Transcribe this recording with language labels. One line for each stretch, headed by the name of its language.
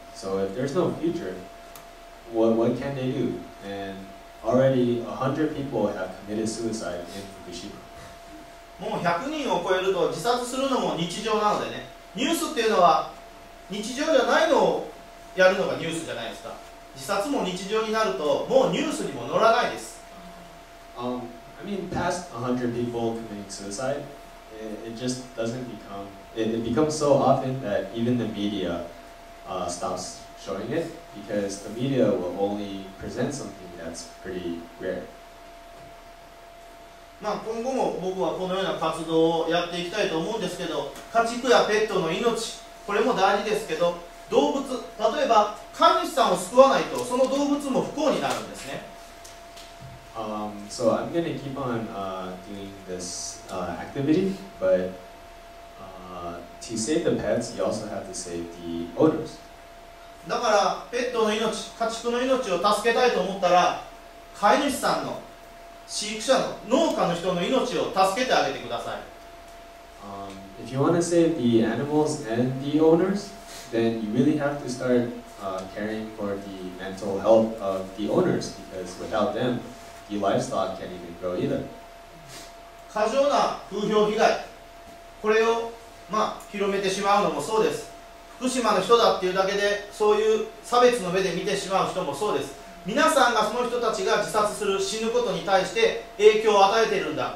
English: So if there's no future, what can they do? And already 100 people have committed suicide in Fukushima.
Japanese: もう100人を超えると自殺するのも日常なのでね。ニュースっていうのは日常じゃないのをやるのがニュースじゃないですか。自殺も日常になると、もうニュースにも載らないです。
English: I mean, past 100 people committing suicide, it just doesn't become... It becomes so often that even the media stops showing it, because the media will only present something that's pretty rare.
Japanese: まあ、今後も僕はこのような活動をやっていきたいと思うんですけど、家畜やペットの命、これも大事ですけど、動物、例えば飼い主さんを救わないとその動物も不幸になるんですね。
English: So I'm going to keep on doing this activity, but to save the pets, you also have to save the owners.
Japanese: だからペットの命、家畜の命を助けたいと思ったら、飼い主さんの、飼育者の、農家の人の命を助けてあげてください。
English: If you want to save the animals and the owners, then you really have to start caring for the mental health of the owners, because without them, the livestock can't even grow either.
Japanese: 過剰な風評被害、これを、広めてしまうのもそうです。福島の人だっていうだけで、そういう差別の目で見てしまう人もそうです。皆さんがその人たちが自殺する、死ぬことに対して影響を与えているんだ。